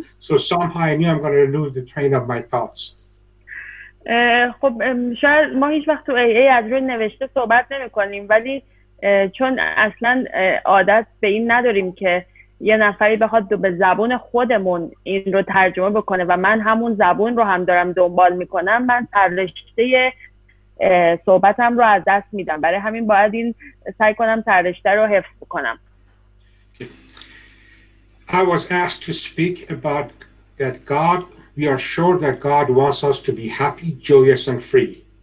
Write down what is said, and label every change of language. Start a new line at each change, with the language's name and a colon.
English: So somehow I knew I'm going to lose the train of my thoughts.
Persian: خب شاید ما هیچ وقت تو AA از روی نوشته صحبت نمی کنیم ولی چون اصلا عادت به این نداریم که یه نفری بخواد به زبون خودمون این رو ترجمه بکنه و من همون زبون رو هم دارم دنبال میکنم، من ترجمه صحبتم رو از دست میدم. برای همین باید این سعی کنم ترشته رو حفظ کنم.
English: I was asked to speak about that God, we are sure that God wants us to be happy, joyous and free.